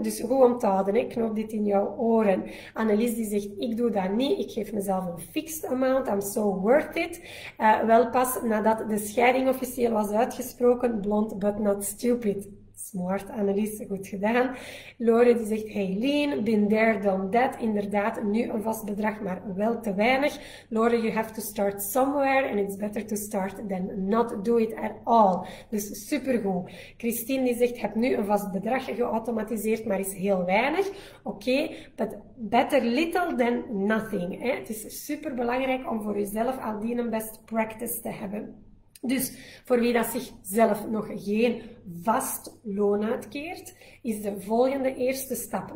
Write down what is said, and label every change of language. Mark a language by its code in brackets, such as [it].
[nl] Dus goed om te houden, hè. Knoop dit in jouw oren. Annelies die zegt ik doe dat niet, ik geef mezelf een [en] fixed amount, I'm so worth it. [nl] Wel pas nadat de scheiding officieel was uitgesproken, [en] blond but not stupid. [nl] Smart, Annelies, goed gedaan. Lore die zegt, hey Lien, [en] been there, done that. [nl] Inderdaad, nu een vast bedrag, maar wel te weinig. [en] Lore, you have to start somewhere and it's better to start than not do it at all. [nl] Dus supergoed. Christine die zegt, heb nu een vast bedrag geautomatiseerd, maar is heel weinig. [en] Oké, but better little than nothing. Hè? [nl] Het is superbelangrijk om voor jezelf al die een best practice te hebben. Dus voor wie dat zichzelf nog geen vast loon uitkeert, is de volgende eerste stap.